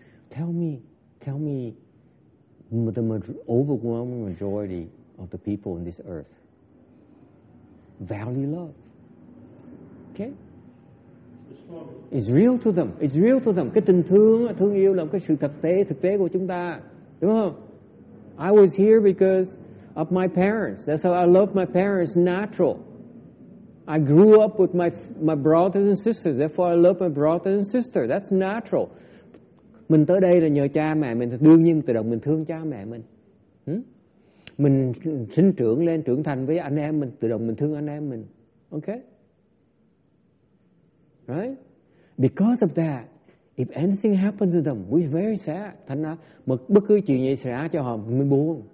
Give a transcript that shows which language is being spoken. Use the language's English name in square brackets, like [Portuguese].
[English] Tell me the overwhelming majority of the people on this earth value love. Okay? It's real to them. It's real to them. [Vietnamese] Cái tình thương, thương yêu là cái sự thực tế của chúng ta. Đúng không? [English] I was here because of my parents. That's how I love my parents, natural. I grew up with my brothers and sisters. Therefore, I love my brothers and sisters. That's natural. [Vietnamese] Mình tới đây là nhờ cha mẹ mình. Đương nhiên tự động mình thương cha mẹ mình. Mình sinh trưởng lên, trưởng thành với anh em mình. Tự động mình thương anh em mình. [English] Okay? Right? Because of that, if anything happens to them, we're very sad. [Vietnamese] Thành ra, bất cứ chuyện gì xảy ra cho họ, mình buồn.